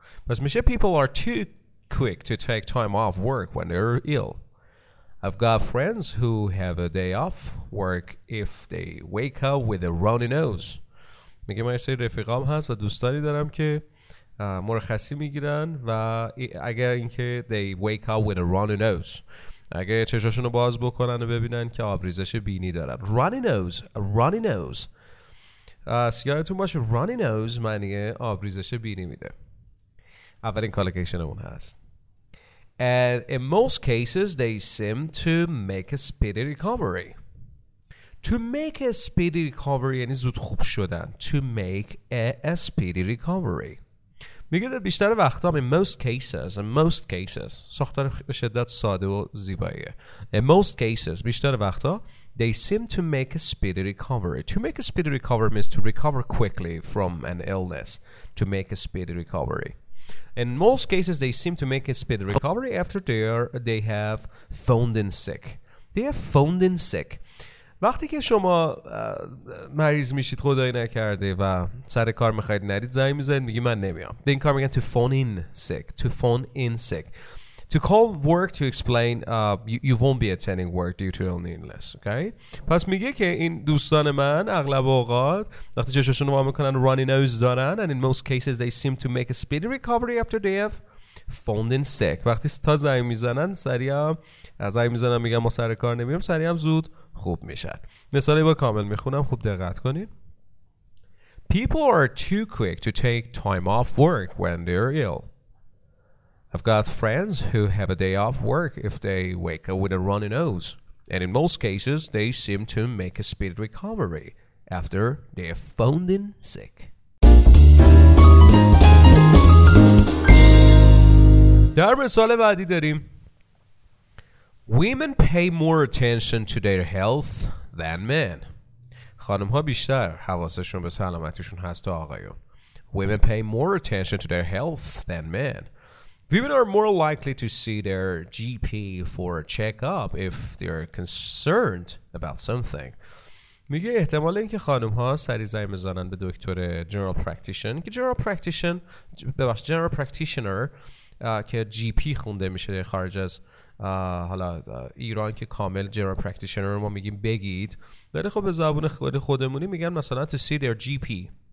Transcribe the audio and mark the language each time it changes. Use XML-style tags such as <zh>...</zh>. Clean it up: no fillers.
<fa>پس میشه</fa> <en>people are too quick to take time off work when they are ill. I've got friends who have a day off work if they wake up with a runny nose.</en> <fa>میگه من یه سری رفیقام هست و دوستانی دارم که مرخصی میگیرن و اگر اینکه</fa> <en>they wake up with a runny nose،</en> <fa>اگر چشاشون رو باز بکنن و ببینن که آبریزش بینی دارن.</fa> <en>runny nose، runny nose.</en> <fa>یادتون باشه runny nose معنی آبریزش بینی میده. اولین کالوکیشنمون هست.</fa> <en>And in most cases they seem to make a speedy recovery. To make a speedy recovery</en> <fa>یعنی زود خوب شدن.</fa> <en>To make a speedy recovery.</en> <fa>میگه در بیشتر وقتا</fa> <en>in most cases</en> <fa>ساختار به شدت ساده و زیباییه.</fa> <en>In most cases</en> <fa>بیشتر وقتا</fa> <en>they seem to make a speedy recovery. To make a speedy recovery means to recover quickly from an illness. To make a speedy recovery. In most cases they seem to make a speedy recovery after they have phoned in sick. They have phoned in sick.</en> <fa>وقتی که شما مریض میشید خدایی نکرده و سر کار میخواید نرید، زنگ میزنید میگی من نمیام. به این کار میگن</fa> <en>to phone in sick. To phone in sick. To call work to explain you won't be attending work due to illness. Okay?</en> <fa>پس میگه که این دوستان من اغلب اوقات وقتی چشاشون رو وا میکنن runny nose دارن.</fa> <en>And in most cases they seem to make a speedy recovery after they have phoned in sick.</en> <fa>وقتی تا زنگ میزنن میگن ما سر کار نمیام، سریع هم زود خوب میشن. مثالی با کامل میخونم، خوب دقت کنید.</fa> <en>People are too quick to take time off work when they're ill. I've got friends who have a day off work if they wake up with a runny nose. And in most cases, they seem to make a speedy recovery after they have phoned in sick.</en> <fa>در مثال بعدی داریم.</fa> <en>Women pay more attention to their health than men.</en> <fa>خانم ها بیشتر حواسشون به سلامتیشون هست تا آقایون.</fa> <en>Women pay more attention to their health than men. Women are more likely to see their GP for a checkup if they're concerned about something.</en> <fa>میگه احتمال اینکه خانم ها سری زنگ بزنن به دکتر جنرال پرکتیشن، که جنرال پرکتیشنر که جی پی خونده میشه خارج از حالا ایران که کامل جنرال پرکتیشنر رو ما میگیم بگید، ولی خب به زبان خودمونی میگن مثلا</fa> <en>to see their GP،</en>